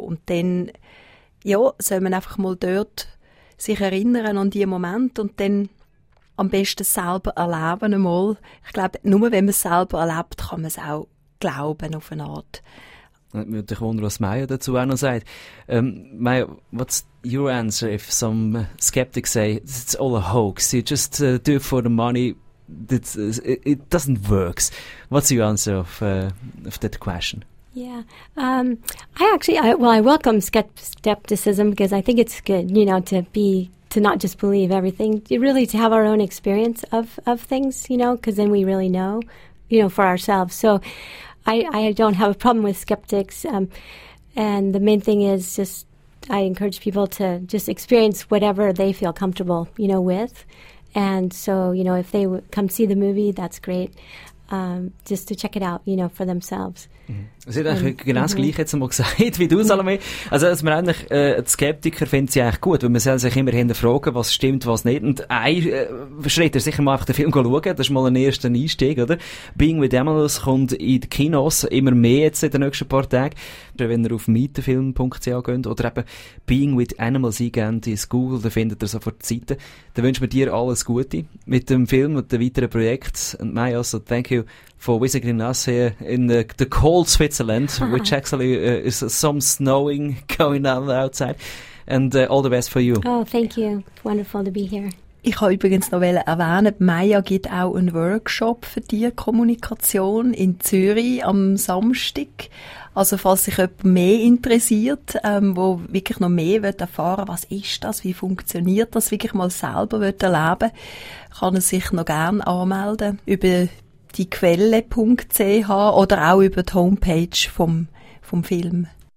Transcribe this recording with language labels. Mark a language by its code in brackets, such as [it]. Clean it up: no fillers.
[de] Und dann, ja, soll man einfach mal dort sich erinnern an diesen Moment und dann am besten selber erleben einmal. Ich glaube, nur wenn man es selber erlebt, kann man es auch glauben auf eine Art. Ich würde mich wundern, was Maya dazu auch noch sagt. [en] Maya, what's your answer if some skeptics say it's all a hoax, you just do it for the money, it doesn't work. What's your answer of that question? Yeah, I welcome skepticism because I think it's good, you know, to not just believe everything, really to have our own experience of things, you know, because then we really know, you know, for ourselves. So I don't have a problem with skeptics. And the main thing is just I encourage people to just experience whatever they feel comfortable, you know, with. And so, you know, if they come see the movie, that's great. Just to check it out, you know, for themselves. Mhm. [de] Sie hat eigentlich genau das Gleiche jetzt mal gesagt, wie du, Salome. Also, dass man eigentlich, die Skeptiker finden sie eigentlich gut, weil man soll sich immer hinterfragen, was stimmt, was nicht. Und ein Schritt ist sicher mal einfach den Film schauen, das ist mal ein erster Einstieg, oder? Being with Animals kommt in die Kinos immer mehr jetzt in den nächsten paar Tagen. Wenn ihr auf mietenfilm.ch geht oder eben Being with Animals eingeht ins Google, dann findet ihr sofort die Seite. Dann wünschen wir dir alles Gute mit dem Film und den weiteren Projekten. Und Maya, also, [en] thank you for visiting us here in the cold Switzerland, which actually is some snowing going on outside. And all the best for you. Oh, thank you. Wonderful to be here. [de] Ich wollte übrigens noch erwähnen, Maya gibt auch einen Workshop für Tierkommunikation in Zürich am Samstag. Also falls sich jemand mehr interessiert, wo wirklich noch mehr erfahren will, was ist das, wie funktioniert das, wirklich mal selber erleben will, kann er sich noch gerne anmelden über diequelle.ch oder auch über die Homepage vom Film.